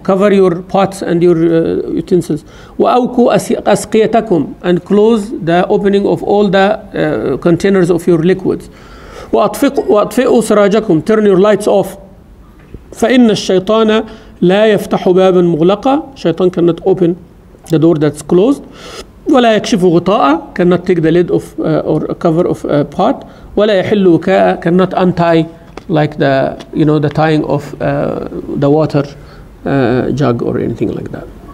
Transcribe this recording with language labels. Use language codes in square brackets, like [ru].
[en] Cover your pots and your utensils. [ar] وأوكوا أسقيتكم. [en] And close the opening of all the containers of your liquids. [ar] وأطفئوا سراجكم. [en] Turn your lights off. [ar] فإن الشيطان لا يفتح بابا مغلقا. [en] Shaitan cannot open the door that's closed. [ar] ولا يكشف غطاء. [en] Cannot take the lid of or a cover of a pot. [ar] ولا يحل وكاء. [en] Cannot untie like the, you know, the tying of the water jug or anything like that.